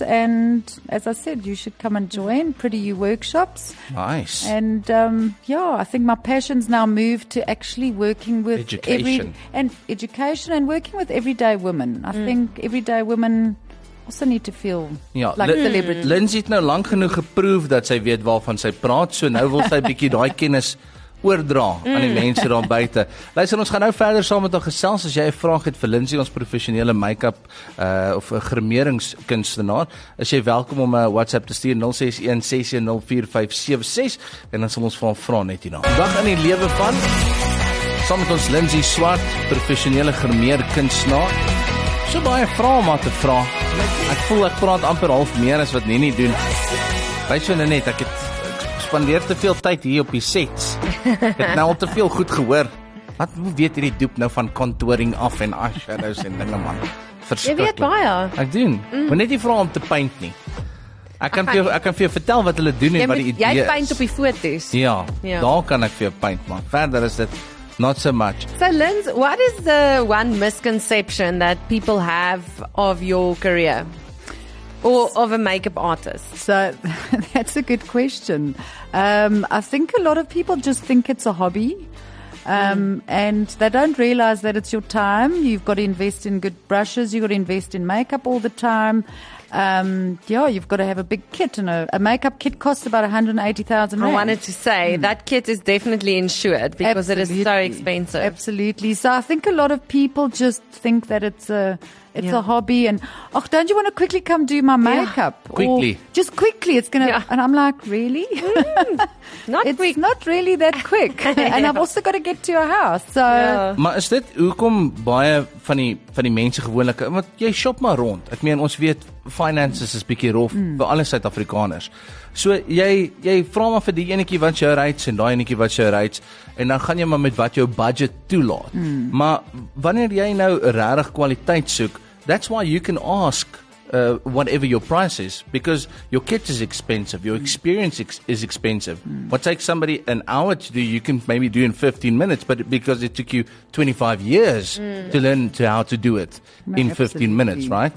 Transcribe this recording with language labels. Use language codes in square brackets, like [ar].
[en] And as I said, you should come and join Pretty You Workshops. Nice. And I think my passion's now moved to actually working with education and working with everyday women. I think everyday women also need to feel like celebrity. [af] Lindsay het nou lank genoeg geproof dat sy weet waarvan sy praat, so nou wil sy bietjie daai kennis oordra aan die mense daar buite. Luister, ons gaan nou verder saam met haar gesels as jy 'n vraag het vir Lindsay, ons professionele make-up of grimeringskunstenaar. Is jy welkom om 'n WhatsApp te stuur 061-610-4576 en dan sal ons van vra net hierna. Dag in die lewe van saam met ons Lindsay Swart, professionele grimeerkunstenaar. So baie vrae om haar te vra. Ek voel ek praat amper half meer as wat Nini doen. Wys jou net, ek spandeer te veel tyd hier op die sets. Ek het nou al te veel goed gehoor. Wat weet hierdie Doep nou van contouring af en eyeshadows en dinge, man? Jy weet baie. Ek doen. Moet net nie vra om te paint nie. Ek kan vir jou vertel wat hulle doen en wat die idee is. Jy paint op die foto's. Ja, daar kan ek vir jou paint, man. Verder is dit not so much. [en] So, Linz, what is the one misconception that people have of your career or of a makeup artist? So, that's a good question. I think a lot of people just think it's a hobby and they don't realize that it's your time. You've got to invest in good brushes. You've got to invest in makeup all the time. You've got to have a big kit, and a makeup kit costs about 180,000 rand. I wanted to say that kit is definitely insured because it is so expensive. Absolutely. So I think a lot of people just think that it's a hobby, and don't you want to quickly come do my makeup? Quickly. It's gonna. Yeah. And I'm like, really? It's not really that quick. And I've also got to get to your house. So. Yeah. [af] Maar is dit hoekom baie van die mense gewoonlik? Want jy shop maar rond. Ek meen ons weet. Finances is bietjie rof vir alle Suid-Afrikaners. So jy vra maar vir die enetjie wat jou rates en daai enetjie wat jou rates en dan gaan jy maar met wat jou budget toelaat. Mm. Maar wanneer jy nou regtig kwaliteit soek, [en] that's why you can ask whatever your price is because your kit is expensive, your experience is expensive. Mm. What takes somebody an hour to do, you can maybe do in 15 minutes, but because it took you 25 years to learn how to do it in 15 minutes, right?